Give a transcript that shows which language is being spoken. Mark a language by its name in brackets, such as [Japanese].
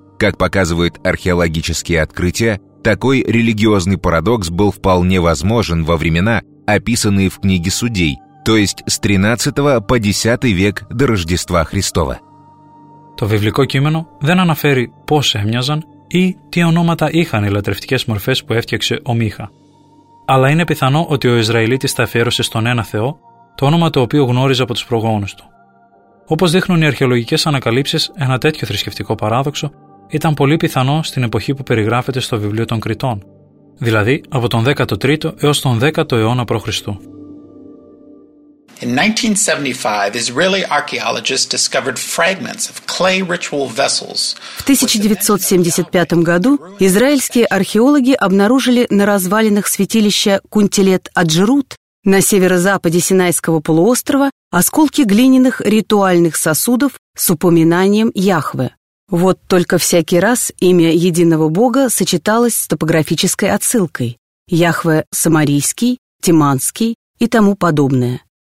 [Russian] Как показывают археологические открытия, такой религиозный парадокс был вполне возможен во времена, описанные в книге Судей, то есть с 13 по 10 век до Рождества Христова. [Greek] Το βιβλικό κείμενο δεν αναφέρει πώς έμοιαζαν ή τι ονόματα είχαν οι λατρευτικές μορφές που έφτιαξε ο Μίχα. Αλλά είναι πιθανό ότι ο Ισραηλίτης τα αφιέρωσε στον ένα Θεό, το όνομα το οποίο γνώριζε από τους προγόνους του. Όπως δείχνουν οι αρχαιολογικές ανακαλύψεις, ένα τέτοιο θρησκευτικό παράδοξο ήταν πολύ πιθανό στην εποχή που περιγράφεται στο βιβλίο των Κριτών, δηλαδή από τον 13ο έως τον 10ο αιώνα π.Χ. [English] In 1975, Israeli archaeologists discovered fragments of clay ritual vessels. [Russian] В 1975 году израильские археологи обнаружили на развалинах святилища Кунтелет-Аджерут на северо-западе Синайского полуострова осколки глиняных ритуальных сосудов с упоминанием Яхве. Вот только всякий раз имя единого бога сочеталось с топографической отсылкой: Яхве Самарийский, Тиманский и тому подобное.